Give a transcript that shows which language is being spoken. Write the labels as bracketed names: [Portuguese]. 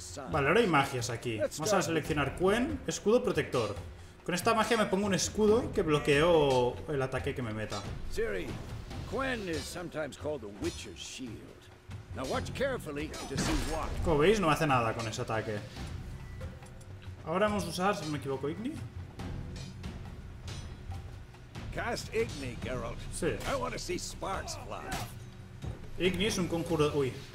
[Spanish] Vale, ahora hay magias aquí. Vamos a seleccionar Quen, escudo protector. Con esta magia me pongo un escudo que bloqueo el ataque que me meta. [English] Ciri, Quen is sometimes called the Witcher's Shield. Now watch carefully to see what. [Spanish] Como veis, no hace nada con ese ataque. Ahora vamos a usar, si no me equivoco, Igni. [English] Cast Igni, Geralt. [Spanish] Sí. [English] I want to see sparks fly. [Spanish] Igni es un conjuro. Uy.